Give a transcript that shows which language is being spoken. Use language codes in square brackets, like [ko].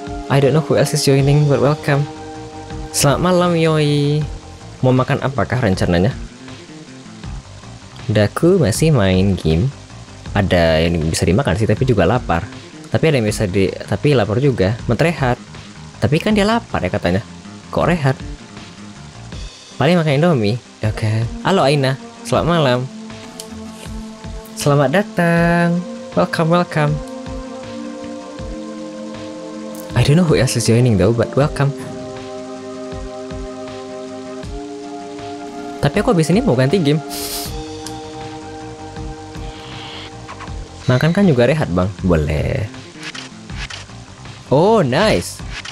[en] I don't know who else is joining, but welcome. [id] Selamat malam, Yoi. Mau makan apakah rencananya? Daku masih main game. Ada yang bisa dimakan sih, tapi juga lapar. Tapi ada yang bisa di... Tapi lapar juga. Menterehat. Tapi kan dia lapar ya katanya. Kok rehat? Paling makan Indomie. Oke. Okay. Halo, Aina. Selamat malam. Selamat datang. [en] Welcome, welcome. I don't know who else is joining though, but welcome. [id] Tapi aku abis ini mau ganti game. Makan kan juga rehat, bang. Boleh. [en] Oh, nice.